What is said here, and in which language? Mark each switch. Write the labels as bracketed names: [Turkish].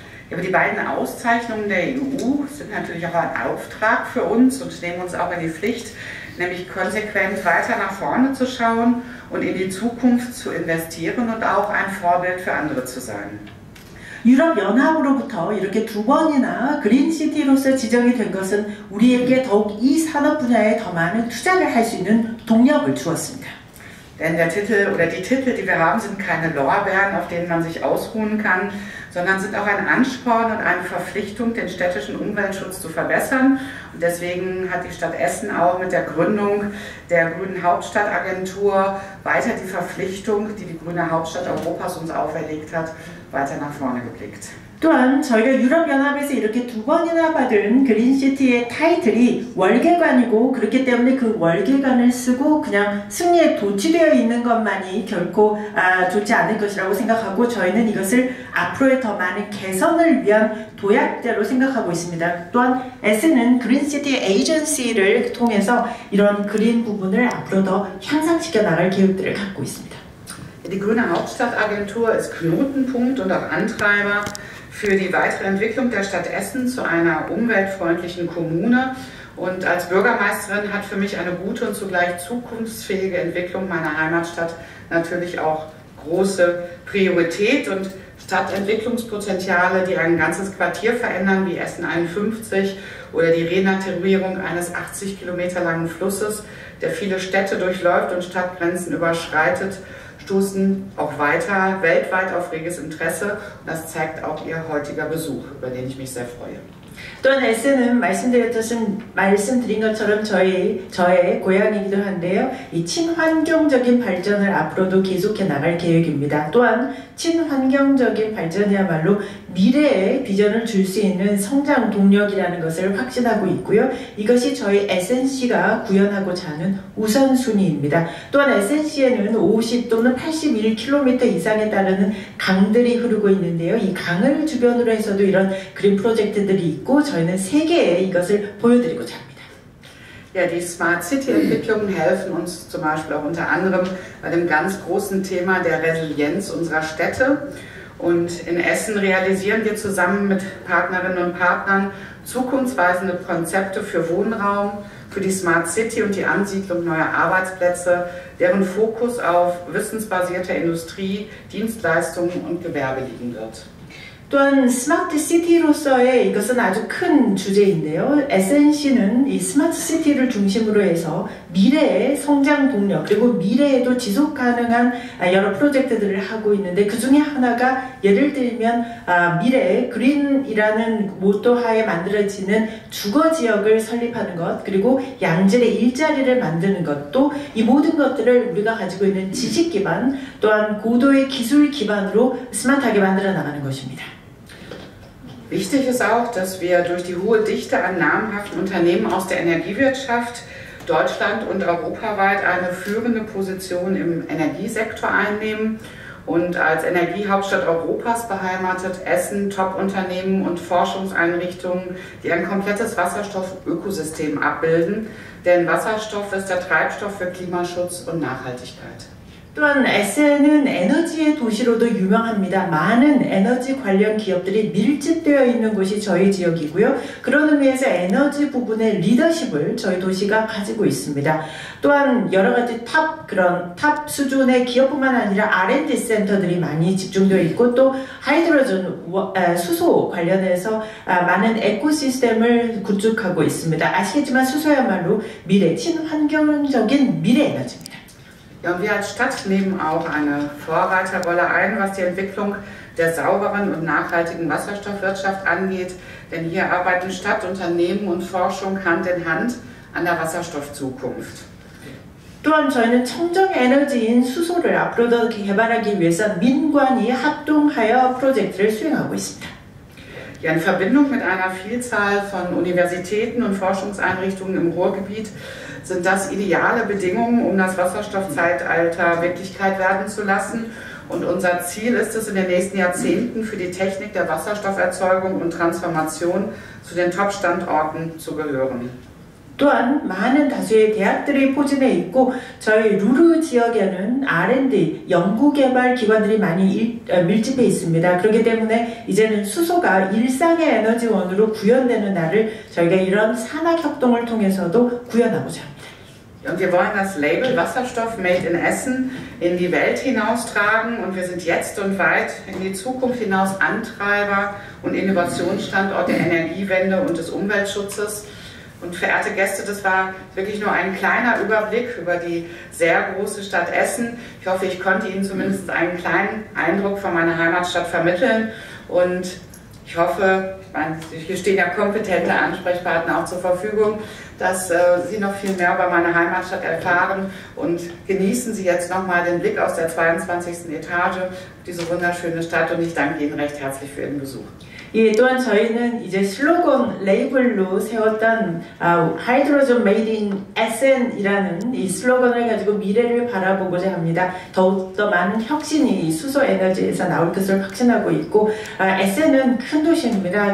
[German] Aber die beiden Auszeichnungen der EU sind natürlich auch ein Auftrag für uns und nehmen uns auch in die Pflicht, nämlich konsequent weiter nach vorne zu schauen und in die Zukunft zu investieren und auch ein Vorbild für andere zu sein. [Korean] 유럽연합으로부터 이렇게 두 번이나 그린시티로서 지정이 된 것은 우리에게 더욱 이 산업 분야에 더 많은 투자를 할 수 있는 동력을 주었습니다. [German] Denn der Titel oder die Titel, die wir haben, sind keine Lorbeeren, auf denen man sich ausruhen kann, sondern sind auch ein Ansporn und eine Verpflichtung, den städtischen Umweltschutz zu verbessern. Und deswegen hat die Stadt Essen auch mit der Gründung der Grünen Hauptstadtagentur weiter die Verpflichtung, die die Grüne Hauptstadt Europas uns auferlegt hat, weiter nach vorne geblickt. [Korean] 또한 저희가 유럽연합에서 이렇게 두 번이나 받은 그린시티의 타이틀이 월계관이고 그렇기 때문에 그 월계관을 쓰고 그냥 승리에 도취되어 있는 것만이 결코 좋지 않을 것이라고 생각하고 저희는 이것을 앞으로의 더 많은 개선을 위한 도약자로 생각하고 있습니다. 또한 S는 그린시티 에이전시를 통해서 이런 그린 부분을 앞으로 더 향상시켜 나갈 계획들을 갖고 있습니다. [German] Die Grüne Hauptstadtagentur ist Knotenpunkt und auch Antreiber für die weitere Entwicklung der Stadt Essen zu einer umweltfreundlichen Kommune. Und als Bürgermeisterin hat für mich eine gute und zugleich zukunftsfähige Entwicklung meiner Heimatstadt natürlich auch große Priorität. Und Stadtentwicklungspotenziale, die ein ganzes Quartier verändern, wie Essen 51 oder die Renaturierung eines 80 Kilometer langen Flusses, der viele Städte durchläuft und Stadtgrenzen überschreitet, stoßen auch weiter weltweit auf reges Interesse. Das zeigt auch Ihr heutiger Besuch, über den ich mich sehr freue. [Korean] 또한 에스는 말씀드린 것처럼 저의 고향이기도 한데요. 이 친환경적인 발전을 앞으로도 계속해 나갈 계획입니다. 또한 친환경적인 발전이야말로 미래의 비전을 줄 수 있는 성장 동력이라는 것을 확신하고 있고요. 이것이 저희 SNC가 구현하고자 하는 우선순위입니다. 또한 SNC에는 50 또는 81km 이상에 따르는 강들이 흐르고 있는데요. 이 강을 주변으로 해서도 이런 그린 프로젝트들이 있고 저희는 세계에 이것을 보여드리고자 합니다. [German] Ja, die Smart City Entwicklungen helfen uns zum Beispiel auch unter anderem bei dem ganz großen Thema der Resilienz unserer Städte. Und in Essen realisieren wir zusammen mit Partnerinnen und Partnern zukunftsweisende Konzepte für Wohnraum, für die Smart City und die Ansiedlung neuer Arbeitsplätze, deren Fokus auf wissensbasierter Industrie, Dienstleistungen und Gewerbe liegen wird. [Korean] 또한 스마트 시티로서의 이것은 아주 큰 주제인데요. SNC는 이 스마트 시티를 중심으로 해서 미래의 성장 동력 그리고 미래에도 지속 가능한 여러 프로젝트들을 하고 있는데 그 중에 하나가 예를 들면 미래의 그린이라는 모토 하에 만들어지는 주거 지역을 설립하는 것 그리고 양질의 일자리를 만드는 것도 이 모든 것들을 우리가 가지고 있는 지식 기반 또한 고도의 기술 기반으로 스마트하게 만들어 나가는 것입니다. [German] Wichtig ist auch, dass wir durch die hohe Dichte an namhaften Unternehmen aus der Energiewirtschaft Deutschland und europaweit eine führende Position im Energiesektor einnehmen und als Energiehauptstadt Europas beheimatet Essen Top-Unternehmen und Forschungseinrichtungen, die ein komplettes Wasserstoffökosystem abbilden, denn Wasserstoff ist der Treibstoff für Klimaschutz und Nachhaltigkeit. [Korean] 또한 에센은 에너지의 도시로도 유명합니다. 많은 에너지 관련 기업들이 밀집되어 있는 곳이 저희 지역이고요. 그런 의미에서 에너지 부분의 리더십을 저희 도시가 가지고 있습니다. 또한 여러 가지 탑 수준의 기업뿐만 아니라 R&D 센터들이 많이 집중되어 있고 또 하이드로전 수소 관련해서 많은 에코시스템을 구축하고 있습니다. 아시겠지만 수소야말로 미래, 친환경적인 미래 에너지입니다. [German] Ja, und wir als Stadt nehmen auch eine Vorreiterrolle ein, was die Entwicklung der sauberen und nachhaltigen Wasserstoffwirtschaft angeht. Denn hier arbeiten Stadt, Unternehmen und Forschung Hand in Hand an der Wasserstoffzukunft. [Korean] 또한 저희는 청정 에너지인 수소를 앞으로 더 개발하기 위해서 민관이 합동하여 프로젝트를 수행하고 있습니다. [German] Ja, in Verbindung mit einer Vielzahl von Universitäten und Forschungseinrichtungen im Ruhrgebiet sind das ideale Bedingungen, um das Wasserstoffzeitalter Wirklichkeit werden zu lassen. Und unser Ziel ist es, in den nächsten Jahrzehnten für die Technik der Wasserstofferzeugung und Transformation zu den Top-Standorten zu gehören. [Korean] 또한 많은 다수의 대학들이 포진해 있고 저희 루루 지역에는 R&D, 연구개발 기관들이 많이 밀집해 있습니다. 그렇기 때문에 이제는 수소가 일상의 에너지원으로 구현되는 날을 저희가 이런 산학협동을 통해서도 구현하고자 합니다. [German] Und wir wollen das Label Wasserstoff made in Essen in die Welt hinaustragen und wir sind jetzt und weit in die Zukunft hinaus Antreiber und Innovationsstandort der Energiewende und des Umweltschutzes. Und verehrte Gäste, das war wirklich nur ein kleiner Überblick über die sehr große Stadt Essen. Ich hoffe, ich konnte Ihnen zumindest einen kleinen Eindruck von meiner Heimatstadt vermitteln. Und ich hoffe, hier stehen ja kompetente Ansprechpartner auch zur Verfügung, dass Sie noch viel mehr über meine Heimatstadt erfahren. Und genießen Sie jetzt nochmal den Blick aus der 22. Etage, diese wunderschöne Stadt. Und ich danke Ihnen recht herzlich für Ihren Besuch. [Korean] 예, 또한 저희는 이제 슬로건 레이블로 세웠던 하이드로전 메이드 인 SN이라는 이 슬로건을 가지고 미래를 바라보고자 합니다. 더욱더 많은 혁신이 수소 에너지에서 나올 것을 확신하고 있고 SN은 큰 도시입니다.